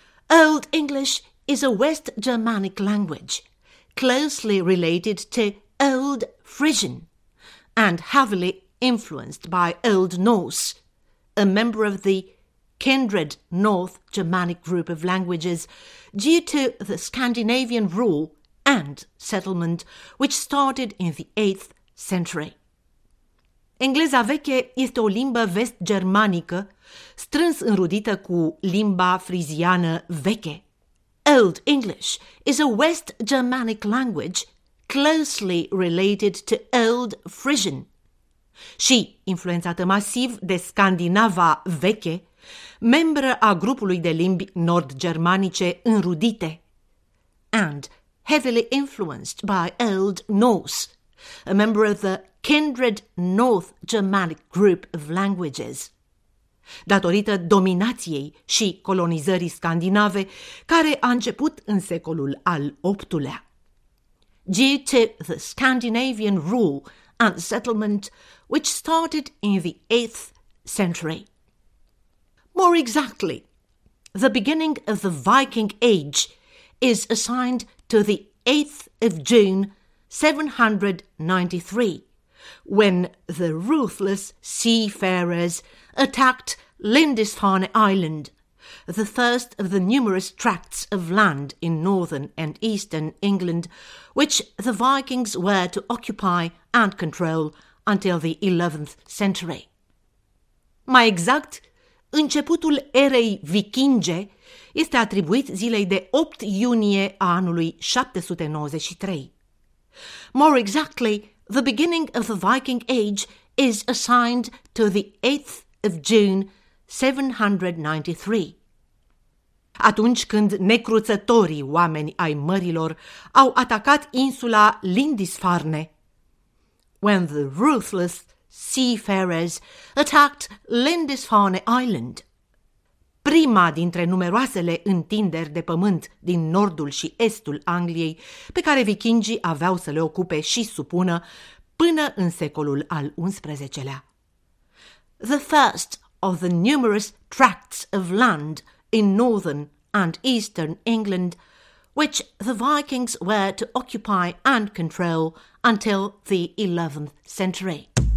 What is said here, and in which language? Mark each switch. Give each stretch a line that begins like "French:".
English: Old English is a West Germanic language, closely related to Old Frisian and heavily influenced by Old Norse, a member of the kindred North Germanic group of languages due to the Scandinavian rule and settlement which started in the 8th century.
Romanian: Engleza veche este o limbă vest-germanică strâns înrudită cu limba friziană veche.
English: Old English is a West Germanic language closely related to Old Frisian
Romanian: și influențată masiv de Scandinava veche, membră a grupului de limbi nord-germanice înrudite,
English: and heavily influenced by Old Norse, a member of the kindred North Germanic group of languages.
Romanian: Datorită dominației și colonizării scandinave, care a început în secolul al VIII-lea.
English: Due to the Scandinavian rule and settlement, which started in the 8th century. More exactly, the beginning of the Viking Age is assigned to the 8th of June 793, when the ruthless seafarers attacked Lindisfarne Island, the first of the numerous tracts of land in northern and eastern England, which the Vikings were to occupy and control until the 11th century.
Romanian: Mai exact, începutul erei vikinge este atribuit zilei de 8 iunie a anului 793.
English: More exactly, the beginning of the Viking Age is assigned to the 8th of June 793.
Romanian: Atunci când necruțătorii oameni ai mărilor au atacat insula Lindisfarne,
English: when the ruthless seafarers attacked Lindisfarne Island,
Romanian: prima dintre numeroasele întinderi de pământ din nordul și estul Angliei, pe care vikingii aveau să le ocupe și supună până în secolul al XI-lea.
English: The first of the numerous tracts of land in northern and eastern England, which the Vikings were to occupy and control until the 11th century.